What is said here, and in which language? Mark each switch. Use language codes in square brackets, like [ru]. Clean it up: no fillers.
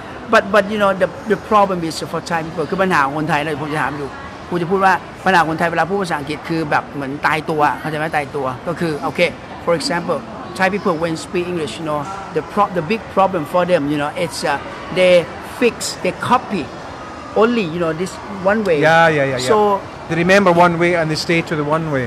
[en] But you know the problem is for Thai people. [th] คือปัญหาคนไทยเลยผมจะถามอยู่ผมจะพูดว่าปัญหาคนไทยเวลาพูดภาษาอังกฤษคือแบบเหมือนตายตัวเข้าใจไหมตายตัวก็คือโอเค [en] for example Thai people when speak English you know the big problem for them you know it's they fix they copy only you know this one way yeah so they remember one way and they stay to the one way